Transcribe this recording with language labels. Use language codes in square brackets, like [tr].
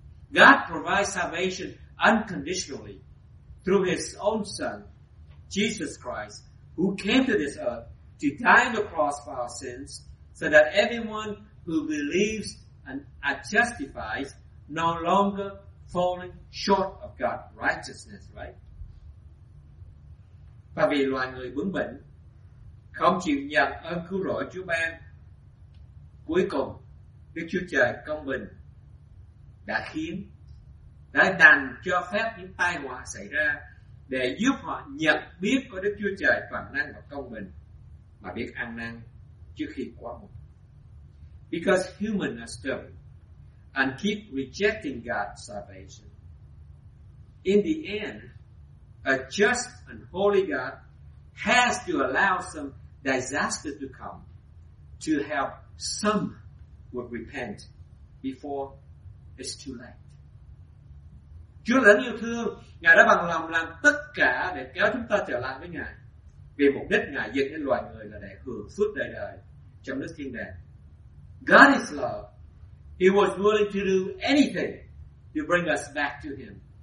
[en] God provides salvation unconditionally through his own Son, Jesus Christ, who came to this earth to die on the cross for our sins, so that everyone who believes and are justified no longer falling short of God's righteousness, right? [vi] Và vì loài người bướng bỉnh, không chịu nhận ơn cứu rỗi Chúa ban, cuối cùng Đức Chúa Trời công bình đã khiến, đã đành cho phép những tai họa xảy ra để giúp họ nhận biết có Đức Chúa Trời toàn năng và công bình, mà biết ăn năn trước khi quá muộn. [en] Because humans are stubborn and keep rejecting God's salvation, in the end, a just and holy God has to allow some disaster to come to help some would repent before it's too late. [vi] Chúa là yêu thương, Ngài đã bằng lòng làm tất cả để kéo chúng ta trở lại với Ngài, vì mục đích Ngài dựng nên loài người là để hưởng phước đời đời trong nước thiên đàng. [en] God is love. He was willing to do anything to bring us back to him.